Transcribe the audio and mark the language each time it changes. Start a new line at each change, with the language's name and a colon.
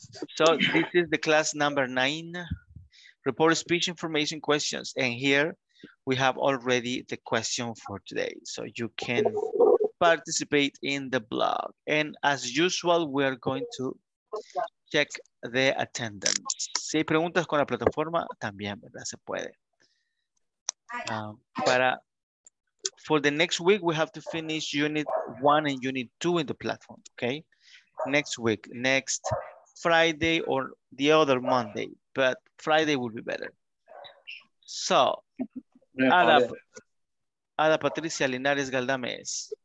English: So, this is the class number 9, report speech information questions, and here. We have already the question for today. So you can participate in the blog. And as usual, we are going to check the attendance.
Spanish: Si hay preguntas con la plataforma, también, ¿verdad? Se puede.
English: For the next week, we have to finish unit 1 and unit 2 in the platform, okay? Next week, next Friday or the other Monday, but Friday will be better. So, Ada Patricia Linares Galdames.